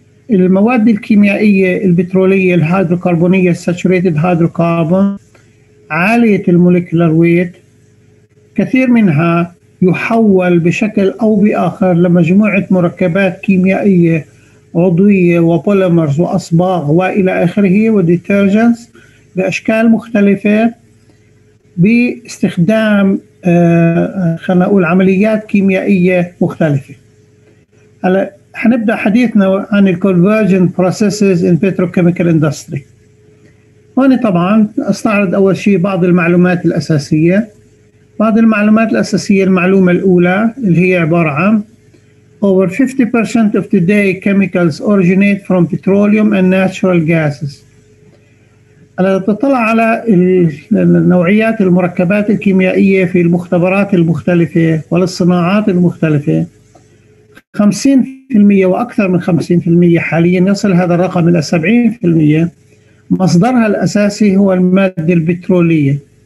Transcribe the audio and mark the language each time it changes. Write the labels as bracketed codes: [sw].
[ar] المواد الكيميائية البترولية الهيدروكربونية الساتوريتد هيدروكربون، عالية الموليكولار ويت، كثير منها يحول بشكل أو بآخر لمجموعة مركبات كيميائية عضوية وبوليمرز وأصباغ وإلى آخره وديترجنس بأشكال مختلفة باستخدام خلنا نقول عمليات كيميائية مختلفة. هلا حنبدأ حديثنا عن ال [en] convergent processes in petrochemical industry. [ar] هون طبعا استعرض أول شيء بعض المعلومات الأساسية. بعض المعلومات الأساسية، المعلومة الأولى اللي هي عبارة عن [en] over 50% of today chemicals originate from petroleum and natural gases. [ar] إذا تطلع على النوعيات المركبات الكيميائية في المختبرات المختلفة والصناعات المختلفة، 50% وأكثر من 50% حاليا، يصل هذا الرقم إلى 70%، مصدرها الأساسي هو المادة البترولية.